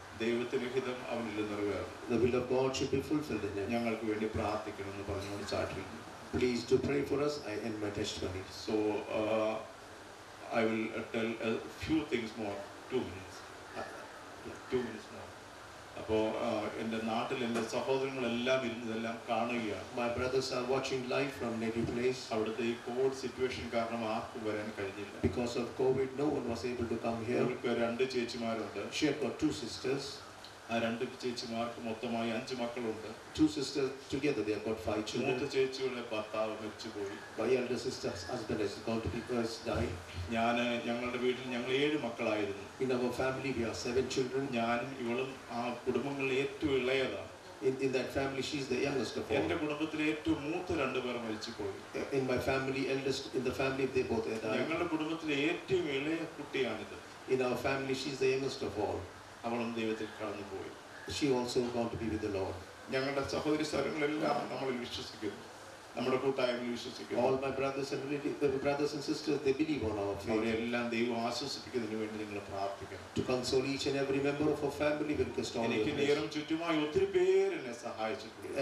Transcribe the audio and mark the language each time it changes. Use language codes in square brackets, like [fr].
[en] The will of God should be fulfilled in him. Please do pray for us. I end my testimony. So, I will tell a few things more. 2 minutes. [ml] അപ്പോ എന്റെ നാട്ടിൽ എന്റെ സഹോദരങ്ങളെല്ലാം ഇരുന്നതെല്ലാം കാണുകയാണ്. [en] My brothers are watching live from Nerul place. [ml] അവിടുത്തെ ഈ Covid situation കാരണം ആർക്കും വരാൻ കഴിഞ്ഞില്ല. [en] Because of COVID, no one was able to come here. [ml] അവർക്ക് രണ്ട് ചേച്ചിമാരുണ്ട്. [en] She had got 2 sisters. [ml] ആ രണ്ട് ചേച്ചിമാർക്ക് മൊത്തമായി 5 മക്കളുണ്ട്. [en] 2 sisters together, they have got 5 children. [ml] മൂത്ത ചേച്ചിയുടെ ഭർത്താവ് മരിച്ചുപോയി. [en] My elder sister's husband has gone to be first died. [ml] ഞങ്ങളുടെ വീട്ടിൽ ഞങ്ങൾ 7 മക്കളായിരുന്നു. [en] In our family, we are 7 children. [ml] ഞാനും ഇവളും ആ കുടുംബങ്ങളിൽ ഏറ്റവും ഇളയതാണ്. [en] In that family, she is the youngest of all. [ml] എന്റെ കുടുംബത്തിൽ ഏറ്റവും മൂത്ത രണ്ട് പേർ മരിച്ചുപോയി. [en] In my family, eldest in the family, they both died. [ml] ഞങ്ങളുടെ കുടുംബത്തിൽ ഏറ്റവും ഇളയ കുട്ടിയാണിത്. [en] In our family, she is the youngest of all. [ml] അവളും ദൈവത്തിൽ കടന്നു പോയി. [en] She also gone to be with the Lord. [ml] ഞങ്ങളുടെ സഹോദരി സഹോദരങ്ങളെല്ലാം നമ്മൾ വിശ്വസിക്കുന്നു. നമ്മുടെ കൂട്ടായ്മയിൽ വിശ്വസിക്കുന്നു. [en] All my brothers and relatives, brothers and sisters, they believe on our faith. [ml] അവരെല്ലാം ദൈവം ആശ്വസിപ്പിക്കുന്നതിനു വേണ്ടി നിങ്ങൾ പ്രാർത്ഥിക്കണം. [en] To console each and every member of our family with the storm. [ml] എനിക്ക് നേരം ചുറ്റുമായി ഒത്തിരി പേർ എന്നെ സഹായിച്ചിട്ടുണ്ട്.